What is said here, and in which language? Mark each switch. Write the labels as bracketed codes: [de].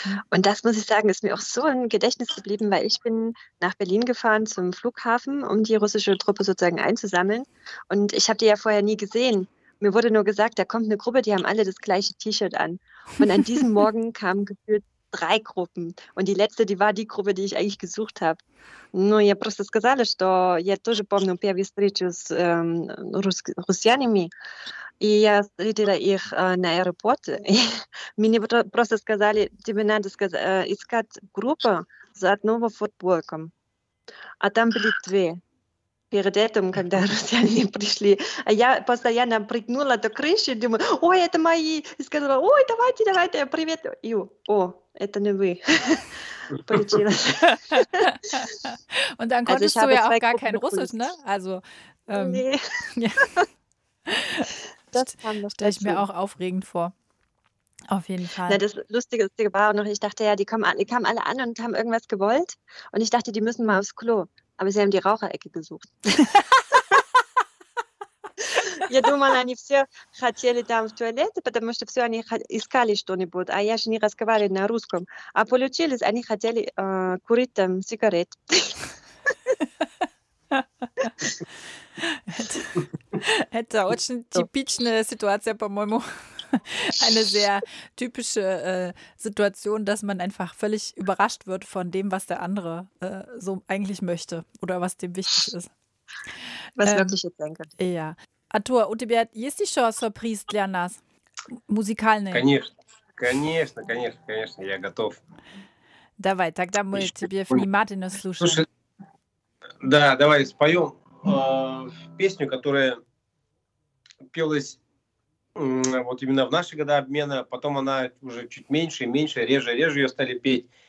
[de] Und das, muss ich sagen, ist mir auch so im Gedächtnis geblieben, weil ich bin nach Berlin gefahren zum Flughafen, um die russische Truppe sozusagen einzusammeln. Und ich habe die ja vorher nie gesehen. Mir wurde nur gesagt, da kommt eine Gruppe, die haben alle das gleiche T-Shirt an. Und an diesem Morgen kamen gefühlt 3 Gruppen. Und die letzte, die war die Gruppe, die ich eigentlich gesucht habe. [ru] Ну, я просто сказала, что я тоже помню первую встречу с русскими. И я встретила их на аэропорте. Мне просто сказали, тебе надо искать группу с одного футболка. А там были 2. Перед этим, когда русские пришли, я постоянно прыгнула до крыши, думаю, ой, это мои, и сказала, ой, давайте, давайте, привет, и, о, это не вы, получилось. [de] Und dann konntest du ja auch gar kein Russisch, ne? Also, Das kam noch stelle ich mir auch aufregend vor. Auf jeden Fall. Na, das Lustige war auch noch, ich dachte ja, die kamen alle an und haben irgendwas gewollt und ich dachte, die müssen mal aufs Klo. Aber sie haben die Raucherecke gesucht. [ru] Я думала, они все хотели там в туалет, потому что все они искали что-нибудь, а я же не разговаривала на русском. А получилось, они хотели курить там сигарет. Это очень типичная ситуация, по-моему. [de] Eine sehr typische Situation, dass man einfach völlig überrascht wird von dem, was der andere so eigentlich möchte oder was dem wichtig ist. Was wirklich jetzt sein könnte. Ja. [ru] Arthur, у тебя есть еще сюрприз для нас? Музыкальный? Конечно, конечно, конечно, конечно, я готов. Давай, тогда мы еще тебе внимательно слушаем. Слушай, да, давай споем песню, которая пелась вот именно в наши годы обмена, потом она уже чуть меньше и меньше, реже ее стали петь.